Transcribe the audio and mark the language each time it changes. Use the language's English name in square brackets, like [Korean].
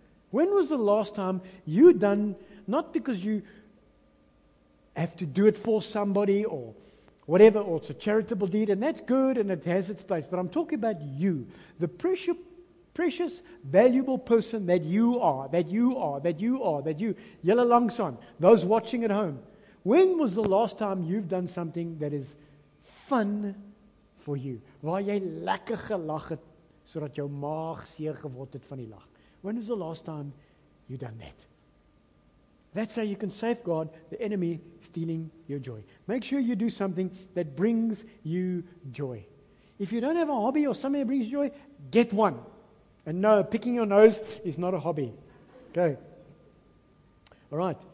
[English] When was the last time you done, not because you have to do it for somebody or whatever, or it's a charitable deed, and that's good and it has its place, but I'm talking about you, the precious, valuable person that you are, yellow lungs on, those watching at home. When was the last time you've done something that is fun for you? [Afrikaans] Waar jy lekker gelag het, so dat jou maag seer geword het van die lach. [English] When was the last time you done that? That's how you can safeguard the enemy stealing your joy. Make sure you do something that brings you joy. If you don't have a hobby or something that brings you joy, get one. And no, picking your nose is not a hobby. Okay. All right.